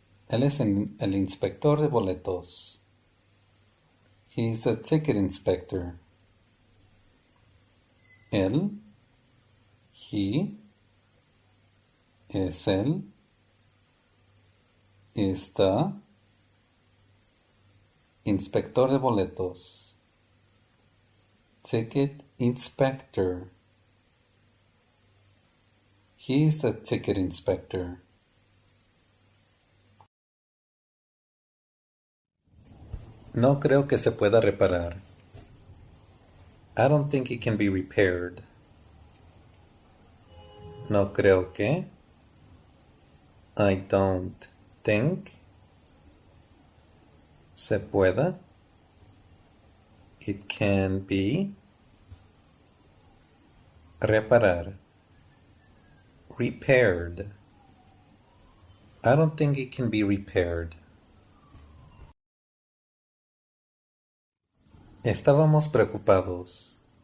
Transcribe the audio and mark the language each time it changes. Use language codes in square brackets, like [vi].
[es] Él es el inspector de boletos. [en] He is the ticket inspector. [es] Él. [en] He. [es] Es él. [en] Is the. [es] Inspector de boletos. [en] Ticket inspector. He's a ticket inspector. [es] No creo que se pueda reparar. [en] I don't think it can be repaired. [es] No creo que. [en] I don't think. [es] Se pueda. [en] It can be. [es] Reparar. [en] Repaired. I don't think it can be repaired. [es] Estábamos preocupados.